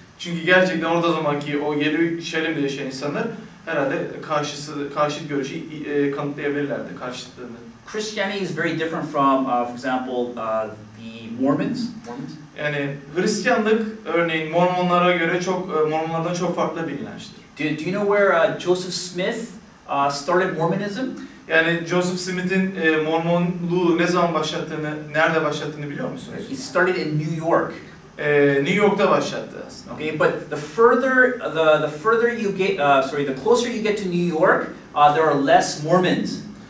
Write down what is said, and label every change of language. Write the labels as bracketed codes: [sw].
[tr] Çünkü gerçekten orada zamanki o Yeruşalim'de yaşayan insanlar herhalde karşıt görüşü kanıtlayabilirlerdi karşıtlığını. [en] Christianity is very different from for example the Mormons. [tr] Yani Hristiyanlık örneğin Mormonlara göre çok Mormonlardan çok farklı bir inançtır. [en] Do you know where Joseph Smith started Mormonism? [tr] Yani Joseph Smith'in Mormonluğu ne zaman başlattığını, nerede başlattığını biliyor musunuz? [en] He started in New York. [tr] New York'ta başlattı aslında. [en] Okay, but the further you get the closer you get to New York, there are less Mormons.